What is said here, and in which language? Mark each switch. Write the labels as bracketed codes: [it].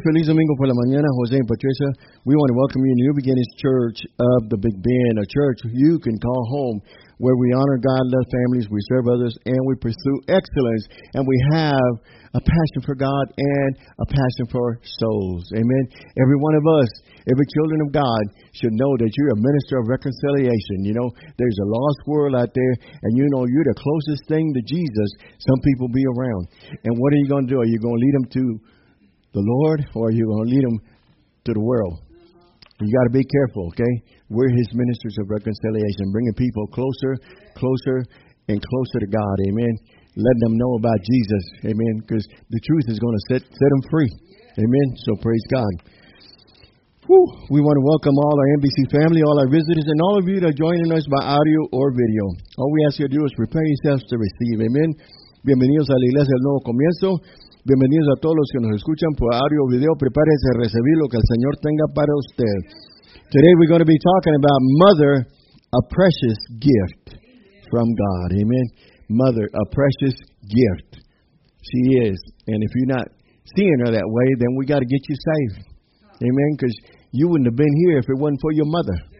[es] Feliz Domingo por la mañana, Jose and Patricia. [en] We want to welcome you to New Beginnings Church of the Big Bend, a church you can call home, where we honor God, love families, we serve others, and we pursue excellence, and we have a passion for God and a passion for souls. Amen. Every one of us, every children of God, should know that you're a minister of reconciliation. You know, there's a lost world out there, and you know you're the closest thing to Jesus some people be around. And what are you going to do? Are you going to lead them to the Lord, or are you going to lead them to the world? You got to be careful, okay? We're His ministers of reconciliation, bringing people closer, closer, and closer to God. Amen. Letting them know about Jesus. Amen. Because the truth is going to set them free. Amen. So praise God. Whew. We want to welcome all our NBC family, all our visitors, and all of you that are joining us by audio or video. All we ask you to do is prepare yourselves to receive. Amen. [es] Bienvenidos a la Iglesia del Nuevo Comienzo. Bienvenidos a todos los que nos escuchan por audio o video. Prepárense a recibir lo que el Señor tenga para usted. [en] Today we're going to be talking about Mother, a precious gift from God. Amen. Mother, a precious gift. She is. And if you're not seeing her that way, then we got to get you saved. Amen. Because you wouldn't have been here if it wasn't for your mother.